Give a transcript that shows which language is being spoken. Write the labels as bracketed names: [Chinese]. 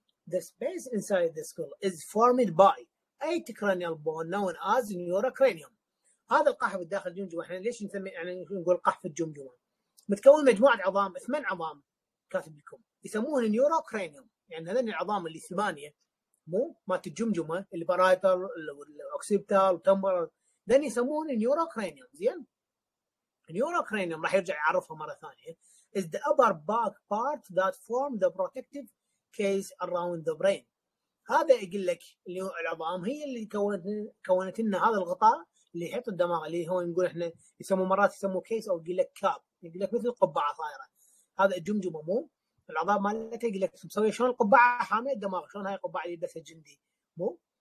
[English] The space inside the skull is formed by eight cranial bone known as neurocranium. [Arabic] هذا القحف الداخل الجمجمة، احنا ليش نسمي يعني نقول قحف الجمجمة؟ متكون مجموعة عظام، ثمان عظام كاتب لكم، يسموه neurocranium. يعني هذين العظام اللي ثمانية، مو مات الجمجمة، البارايتال والاوكسيبتال والتمبرال، ذن يسموه neurocranium. زين، neurocranium راح يرجع يعرفها مرة ثانية. [English] is the upper back part that form the protective case around the brain. [Arabic] هذا يقول لك اللي هو العظام هي اللي كونت لنا هذا الغطاء اللي يحيط الدماغ، اللي هو نقول احنا يسموه مرات يسموه كيس، او يقول لك كاب، يقول لك مثل قبعه صايره. هذا الجمجمه مو العظام مالته، يقول لك مسوي شلون القبعه حامي الدماغ، شلون هاي القبعه اللي بس الجندي مو.